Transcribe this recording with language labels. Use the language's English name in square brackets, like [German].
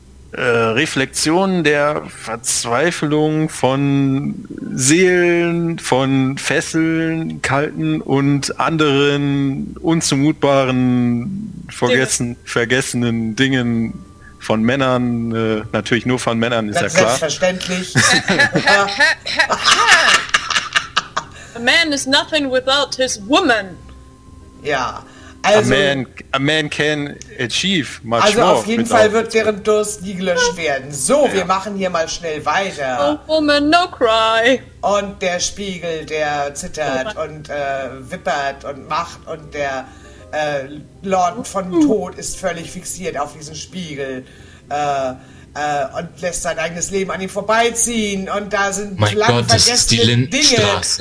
[German] Reflexionen der Verzweiflung von Seelen, von Fesseln, kalten und anderen unzumutbaren, vergessenen Dingen von Männern, natürlich nur von Männern, ist ganz ja klar. Selbstverständlich. [English] A man is nothing without his woman. [German] Ja. Also, [English] a man can achieve much [German] also [English] more. [German] Also auf jeden Fall wird deren Durst nie gelöscht werden. So, ja. Wir machen hier mal schnell weiter. [English] Oh, woman, no cry. [German] Und der Spiegel, der zittert und wippert und macht und der Lord von Tod ist völlig fixiert auf diesen Spiegel und lässt sein eigenes Leben an ihm vorbeiziehen und da sind lang vergessene Dinge.